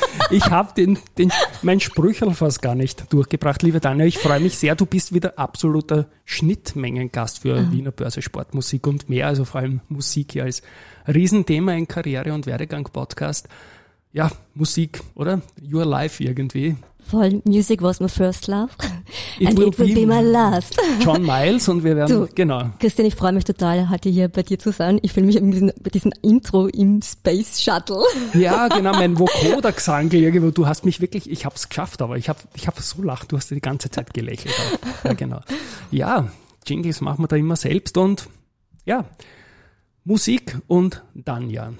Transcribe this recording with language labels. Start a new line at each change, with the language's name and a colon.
German: Ich hab mein Sprüchel fast gar nicht durchgebracht. Liebe Tanja, ich freue mich sehr. Du bist wieder absoluter Schnittmengengast für Wiener Börse Sportmusik und mehr. Also vor allem Musik hier als Riesenthema in Karriere- und Werdegang-Podcast. Ja, Musik, oder?
English: Your life
German: irgendwie.
English: Voll, Music was my first love and it will be my last.
German: John Miles und wir werden, du, genau. Christian, ich freue mich total, heute hier bei dir zu sein. Ich fühle mich bei diesem Intro im Space Shuttle. Ja, genau, mein Vokoder-Gesang, irgendwo. Du hast mich wirklich, ich habe es geschafft, aber ich habe so lacht, du hast die ganze Zeit gelächelt. Ja, genau. Ja, Jingles machen wir da immer selbst und ja, Musik und Tanja.